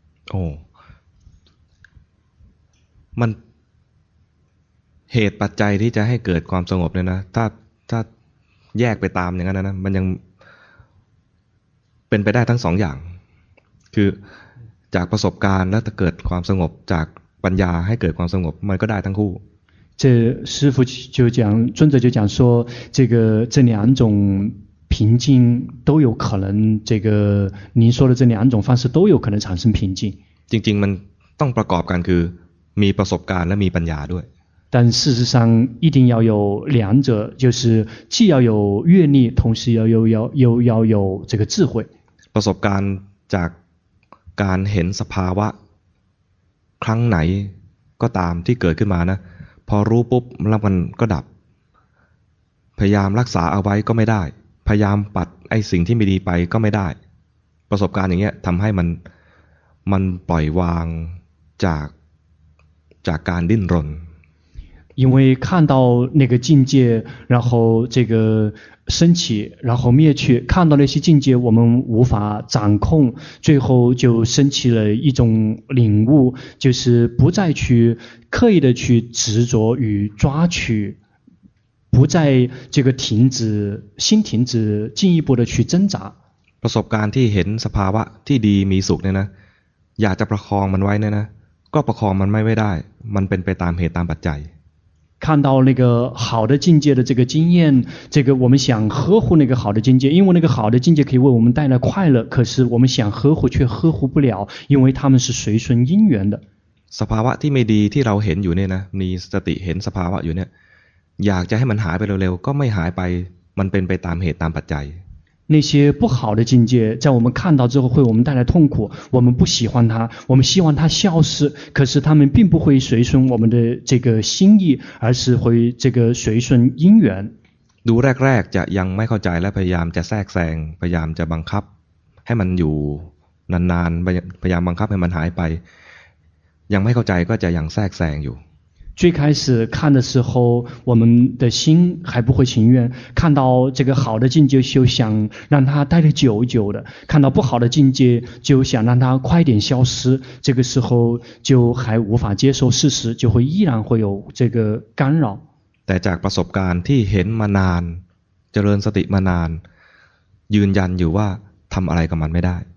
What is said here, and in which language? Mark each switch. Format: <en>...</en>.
<th>โอ้มันเหตุปัจจัยที่จะให้เกิดความสงบเนี่ยนะถ้าแยกไปตามอย่างนั้นนะมันยังเป็นไปได้ทั้งสองอย่างคือจากประสบการณ์แล้วจะเกิดความสงบจากปัญญาให้เกิดความสงบมันก็ได้ทั้งคู่</th> <zh>这师父就讲尊者就讲说这个这两种平静都有可能这个您说的这两种方式都有可能产生平静</zh> <th>จริงๆมันต้องประกอบกันคือมีประสบการณ์และมีปัญญาด้วย</th> <zh>但事实上一定要有两者就是既要有阅历同时要有这个智慧</zh> <th>ประสบการณ์จากการเห็นสภาวะครั้งไหนก็ตามที่เกิดขึ้นมานะพอรู้ปุ๊บแล้วมันก็ดับพยายามรักษาเอาไว้ก็ไม่ได้พยายามปัดไอ้สิ่งที่ไม่ดีไปก็ไม่ได้ประสบการณ์อย่างเงี้ยทำให้มันปล่อยวางจากการดิ้นรน</th> <zh>因为看到那个境界然后这个升起然后灭去看到那些境界我们无法掌控最后就升起了一种领悟就是不再去刻意的去执着与抓取不再这个停止心停止进一步的去挣扎</zh> <th>ประสบการณ์ที่เห็นสภาวะที่ดีมีสุขเนี่ยนะอยากจะประคองมันไว้เนี่ยนะก็ประคองมันไม่ได้มันเป็นไปตามเหตุตามปัจจัย</th> <zh>看到那个好的境界的这个经验这个我们想呵护那个好的境界因为那个好的境界可以为我们带来快乐可是我们想呵护却呵护不了因为他们是随顺因缘的</zh> <th>สภาวะที่ไม่ดีที่เราเห็นอยู่เนี่ยนะมีสติเห็นสภาวะอยู่เนี่ยอยากจะให้มันหายไปเร็วๆก็ไม่หายไปมันเป็นไปตามเหตุตามปัจจัย</th> <zh>那些不好的境界在我们看到之后会我们带来痛苦我们不喜欢它我们希望它消失可是它们并不会随顺我们的这个心意而是会这个随顺因缘</zh> <th>ดูแรกๆจะยังไม่เข้าใจและพยายามจะแทรกแซงพยายามจะบังคับให้มันอยู่นานๆพยายามบังคับให้มันหายไปยังไม่เข้าใจก็จะยังแทรกแซงอยู่</th> <zh>最开始看的时候我们的心还不会情愿看到这个好的境界就想让它待得久久的看到不好的境界就想让它快点消失这个时候就还无法接受事实就会依然会有这个干扰</zh> <th>แต่จากประสบการณ์ที่เห็นมานานเจริญสติมานานยืนยันอยู่ว่าทำอะไรกับมันไม่ได้</th>